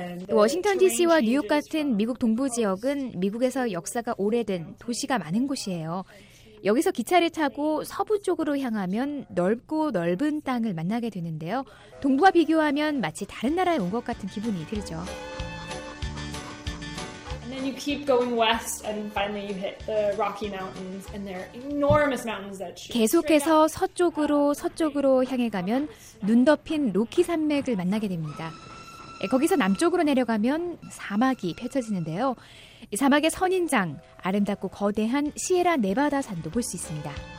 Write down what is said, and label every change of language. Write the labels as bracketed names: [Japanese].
[Korean] 워싱턴 DC와 뉴욕 같은 미국 동부 지역은 미국에서 역사가 오래된 도시가 많은 곳이에요. 여기서 기차를 타고 서부 쪽으로 향하면 넓고 넓은 땅을 만나게 되는데요. 동부와 비교하면 마치 다른 나라에 온 것 같은 기분이 들죠. [English] And you keep going west and finally you hit the Rocky Mountains and there are enormous mountains that shoot. [Korean] 계속해서 서쪽으로 향해 가면 눈 덮인 로키 산맥을 만나게 됩니다. 거기서 남쪽으로 내려가면 사막이 펼쳐지는데요. 사막의 선인장, 아름답고 거대한 시에라 네바다 산도 볼 수 있습니다.